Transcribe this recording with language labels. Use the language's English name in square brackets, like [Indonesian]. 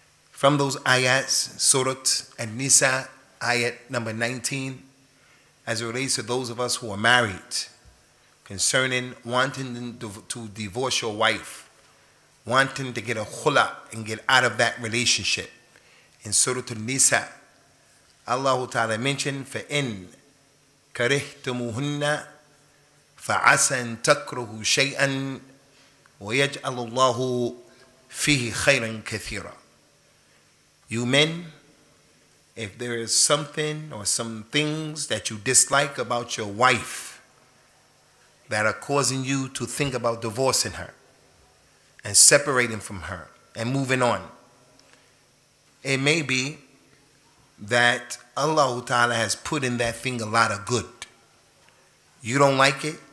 [English] From those ayats, Surat An-Nisa, ayat number 19, as it relates to those of us who are married, concerning wanting to divorce your wife, wanting to get a khula and get out of that relationship. In Surah An-Nisa, Allah Ta'ala mentioned, [Arabic] فَإِنْ كَرِهْتُمُهُنَّ فَعَسَنْ تَكْرُهُ شَيْئًا وَيَجْعَلُ اللَّهُ فِيهِ خَيْرًا كَثِيرًا. [English] You men, if there is something or some things that you dislike about your wife that are causing you to think about divorcing her and separating from her and moving on, it may be that Allah Ta'ala has put in that thing a lot of good. You don't like it.